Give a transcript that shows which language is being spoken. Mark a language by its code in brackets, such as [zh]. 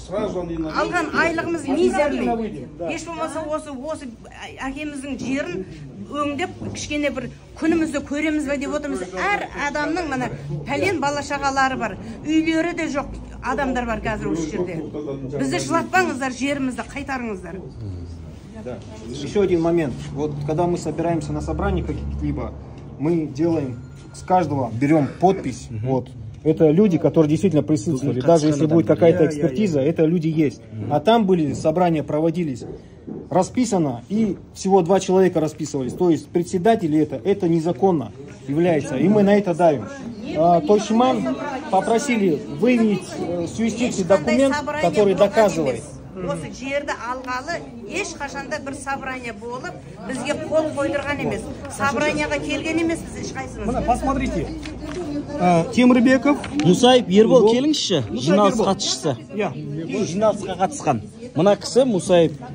[kk] Алған айлығымыз мизерлі. Еш болмаса осы әкеміздің жерін өңдеп кішкене бір күнімізді көреміз бе деп отырмыз. Әр адамның мына пәлен балашағалары бар. Үйлері де жоқ. Адамдар бар қазір осы жерде. Бізді жылатпаңыздар, жерімізді қайтарыңыздар. [ru] Да. Еще один момент. Вот когда мы собираемся на собрание какие-либо, мы делаем с каждого берем подпись. Угу. Вот. Это люди, которые действительно присутствовали. Даже если будет какая-то экспертиза, это люди есть. Угу. А там были собрания, проводились, расписано, и всего два человека расписывались. То есть председатель это незаконно является. И мы на это давим. Тойшиман попросили выявить юстиции документ, который доказывает. [kk] Осы жерді алғалы ешқашанда бір собрание болып, бізге қол қойдырған емес. Собранияға келген емес біз ешқайсымыз. Мына [ru] посмотрите. Темірбеков, [kk] Мусаев, Ербол келіңізші, жиналыс қатысушысы. Иә, жиналысқа қатысқан. Мына кісі Мусаев.